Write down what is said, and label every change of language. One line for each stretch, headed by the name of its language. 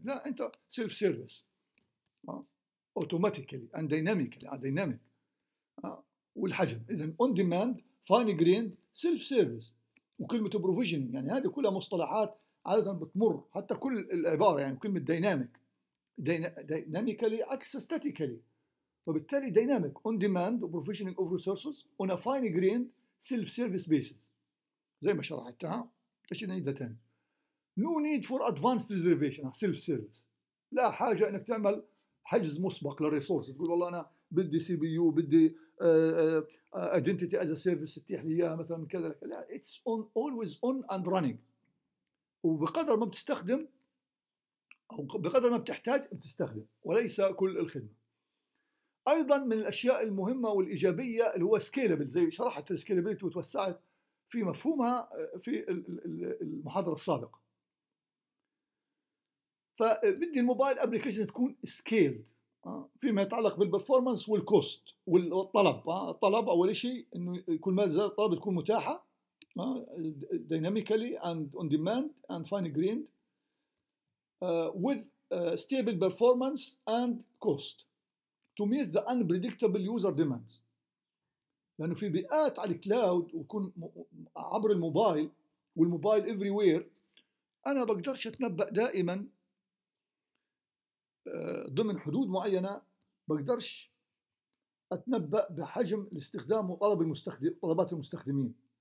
English: لا، انت self service automatically and dynamically. Dynamic والحجم، اذا on demand fine grained self service.
Arabic: وكلمه بروفيجنينج يعني هذه كلها مصطلحات عادة بتمر، حتى كل العبارة يعني كلمة ديناميك، ديناميكالي عكس ستاتيكالي. فبالتالي ديناميك
English: on demand provisioning of resources on a fine grained self service basis
Arabic: زي ما شرحتها. ليش نعيدها تاني؟
English: no need for advanced reservation self service.
Arabic: لا حاجة انك تعمل حجز مسبق للريسورس، تقول والله انا بدي سي بي يو، بدي
English: identity as a service
Arabic: تتيح لي اياها مثلا من كذا.
English: لا، it's on always on and running.
Arabic: وبقدر ما بتستخدم أو بقدر ما بتحتاج بتستخدم، وليس كل الخدمة. أيضا من الأشياء المهمة والإيجابية اللي هو scalable، زي شرحت scalability وتوسعت في مفهومها في المحاضرة السابقة. فبدي الموبايل أبليكيشن تكون scaled فيما يتعلق بالبرفورمانس والكوست والطلب. الطلب أول شيء إنه كل ما زاد الطلب تكون متاحة
English: dynamically and on demand and fine grained with stable performance and cost to meet the unpredictable user demands.
Arabic: لأنه في بيئات على الكلاود وكون عبر الموبايل والموبايل everywhere، أنا بقدرش أتنبأ دائما ضمن حدود معينة، بقدرش أتنبأ بحجم الاستخدام وطلب المستخدم، طلبات المستخدمين.